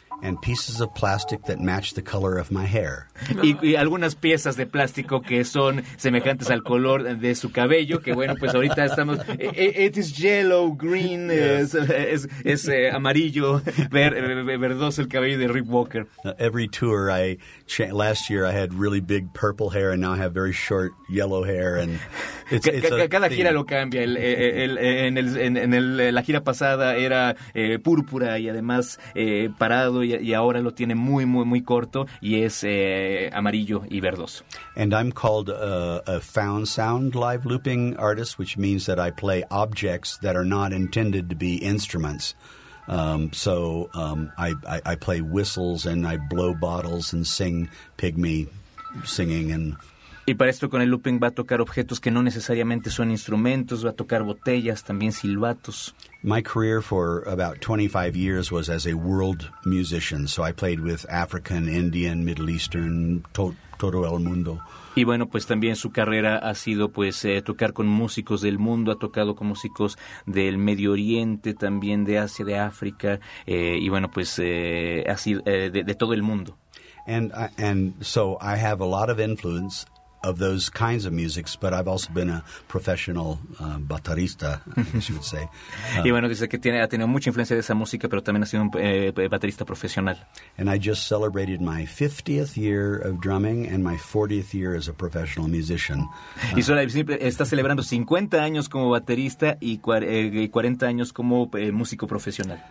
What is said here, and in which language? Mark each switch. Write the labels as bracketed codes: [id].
[en] And pieces of plastic that match the color of my hair. [es] Y algunas piezas de plástico que son semejantes al color de su cabello, que bueno, pues ahorita estamos... [en] It is yellow, green, yes. [es] es amarillo, verdoso el cabello de Rick Walker. [en] Every tour, last year I had really big purple hair and now I have very short yellow hair. And [es] cada gira lo cambia. La gira pasada era púrpura y además parado. Y ahora lo tiene muy, muy, muy corto y es amarillo y verdoso. [en] And I'm called a found sound live looping artist, which means that I play objects that are not intended to be instruments. I play whistles and I blow bottles and sing pygmy singing and... [es] Y para esto con el looping va a tocar objetos que no necesariamente son instrumentos, va a tocar botellas, también silbatos. [en] My career for about 25 years was as a world musician, so I played with African, Indian, Middle Eastern, [es] todo el mundo. Y bueno, pues también su carrera ha sido pues tocar con músicos del mundo, ha tocado con músicos del Medio Oriente, también de Asia, de África, y bueno, pues así de todo el mundo. [en] And so I have a lot of influence of those kinds of musics, but I've also been a professional baterista, I guess you would say. [es] Y bueno, dice que ha tenido mucha influencia de esa música, pero también ha sido un baterista profesional. [en] And I just celebrated my 50th year of drumming and my 40th year as a professional musician. [es] Y está celebrando 50 años como baterista y 40 años como músico profesional.